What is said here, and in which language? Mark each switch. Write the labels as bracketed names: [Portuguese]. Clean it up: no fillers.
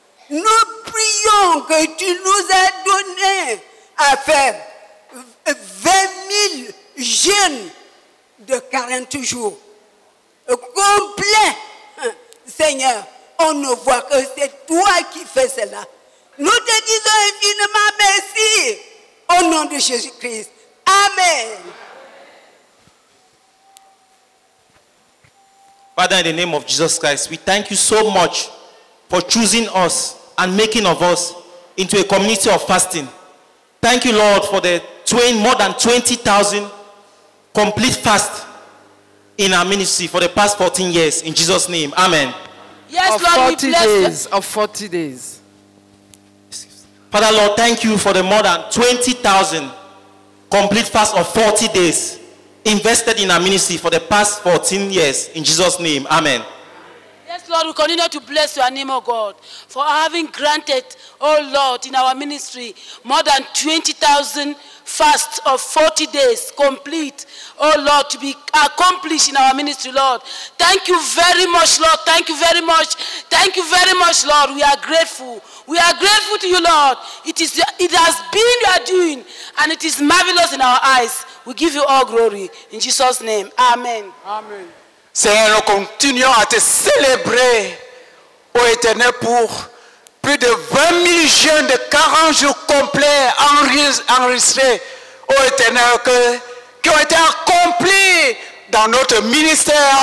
[French] Nous prions que tu nous aies donné à faire 20 000 jeunes de 40 jours complets. Seigneur, on ne voit que c'est toi qui fais cela. Nous te disons infiniment merci au nom de Jésus-Christ. Amen. [English] Father, in the name of Jesus Christ, we thank you so much for choosing us and making of us into a community of fasting. Thank you, Lord, for the more than 20,000 complete fast in our ministry for the past 14 years. In Jesus' name, amen. Yes, of Lord, 40 we bless days, of 40 days. Father, Lord, thank you for the more than 20,000 complete fast of 40 days invested in our ministry for the past 14 years. In Jesus' name, amen. Yes, Lord, we continue to bless your name, O God, for having granted, O Lord, in our ministry, more than 20,000 fasts of 40 days complete, O Lord, to be accomplished in our ministry, Lord. Thank you very much, Lord. Thank you very much. Thank you very much, Lord. We are grateful. We are grateful to you, Lord. It has been your doing, and it is marvelous in our eyes. We give you all glory. In Jesus' name, amen. Amen. [French] Seigneur, nous continuons à te célébrer, ô Éternel, pour plus de 20 000 jeunes de 40 jours complets enregistrés, ô Éternel, qui ont été accomplis dans notre ministère.